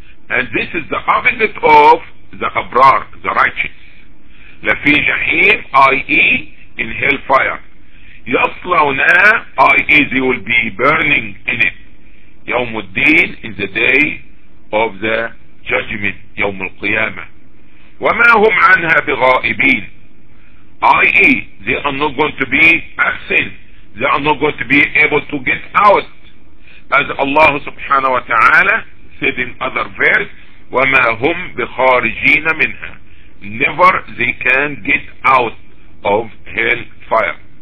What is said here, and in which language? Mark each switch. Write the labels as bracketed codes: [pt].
[en] And this is the opposite of the abrar, the righteous. [ar] لَفِي جَحِيمْ [en] i.e. in hellfire. يَصْلَوْنَا i.e. they will be burning in it. [ar] يَوْمُ الدِّينِ [en] in the day of the judgment, [ar] يوم القيامة. وَمَا هُمْ عَنْهَا بِغَائِبِينَ i.e. [en] they are not going to be absent. They are not going to be able to get out. As Allah subhanahu wa ta'ala said in other verse, [ar] وَمَا هُمْ بِخَارِجِينَ مِنْهَا. [en] Never they can get out of hell fire.